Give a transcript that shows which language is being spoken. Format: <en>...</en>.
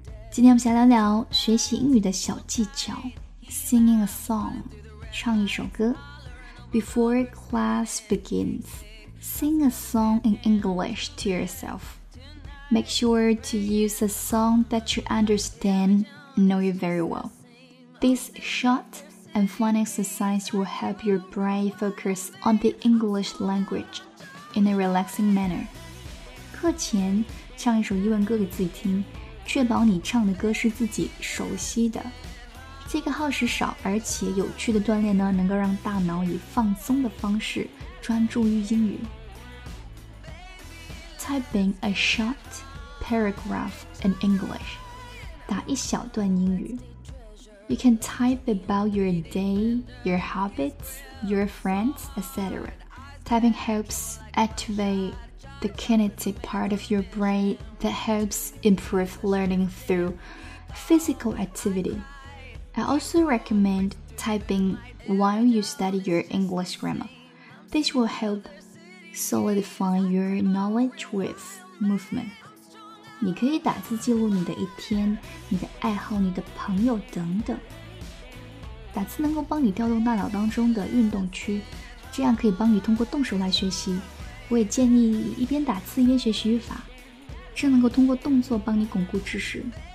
<zh>今天我们想聊聊学习英语的小技巧</zh> <en>Singing a song</en> <zh>唱一首歌</zh> <en>Before class begins Sing a song in English to yourself Make sure to use a song that you understand and know it very well This short and fun exercise will help your brain focus on the English language in a relaxing manner</en> <zh>课前唱一首英文歌给自己听确保你唱的歌是自己熟悉的。这个耗时少而且有趣的锻炼呢，能够让大脑以放松的方式专注于英语。</zh> <en>Typing a short paragraph in English.</en> <zh>打一小段英语。</zh> <en>You can type about your day, your habits, your friends, etc. Typing helps activate the kinetic part of your brain that helps improve learning through physical activity. I also recommend typing while you study your English grammar. This will help solidify your knowledge with movement.</en> <zh>你可以打字记录你的一天、你的爱好、你的朋友等等。打字能够帮你调动大脑当中的运动区，这样可以帮你通过动手来学习。我也建议一边打字一边学习语法，这能够通过动作帮你巩固知识。</zh>